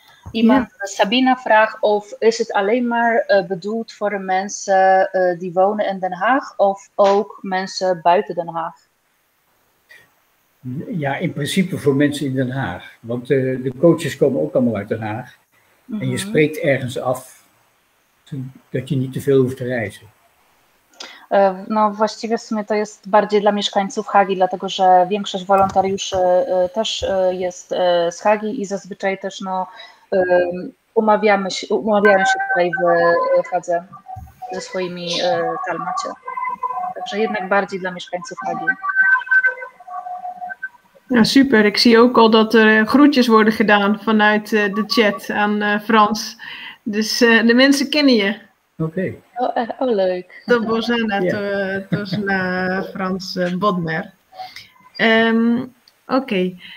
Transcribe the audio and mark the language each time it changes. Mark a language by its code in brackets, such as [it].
[nl] Iemand, ja. Sabina vraagt of is het alleen maar bedoeld voor mensen die wonen in Den Haag of ook mensen buiten Den Haag? Ja, in principe voor mensen in Den Haag. Want de coaches komen ook allemaal uit Den Haag. Mm-hmm. En je spreekt ergens af dat je niet te veel hoeft te reizen. [pl] No właściwie w sumie to jest bardziej dla mieszkańców Hagi, dlatego że większość wolontariuszy też jest z Hagi i zazwyczaj też no, umawiamy się tutaj w Hadze ze swoimi talmacie. Także jednak bardziej dla mieszkańców Hagi. [nl] Ja, super, ik zie ook al dat er groetjes worden gedaan vanuit de chat aan Frans. Dus de mensen kennen je. Oké. Okay. Oh, leuk. De Bozana, dus na Frans Bodmer. Oké.